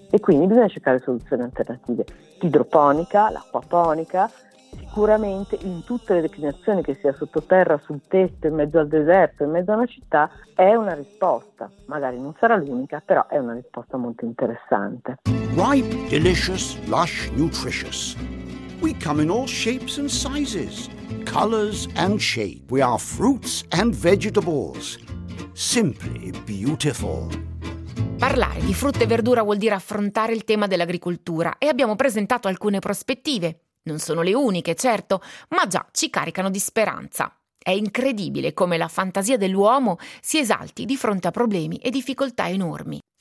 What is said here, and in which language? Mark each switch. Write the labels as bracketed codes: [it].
[it] E quindi bisogna cercare soluzioni alternative. L'idroponica, l'acquaponica, sicuramente in tutte le declinazioni, che sia sottoterra, sul tetto, in mezzo al deserto, in mezzo a una città, è una risposta. Magari non sarà l'unica, però è una risposta molto interessante. [en] Ripe, delicious, lush, nutritious. We come in all shapes and sizes, colors and shape. We are fruits and vegetables. Simply beautiful. [it] Parlare di frutta e verdura vuol dire affrontare il tema dell'agricoltura e abbiamo presentato alcune prospettive. Non sono le uniche, certo, ma già ci caricano di speranza. È incredibile come la fantasia dell'uomo si esalti di fronte a problemi e difficoltà enormi.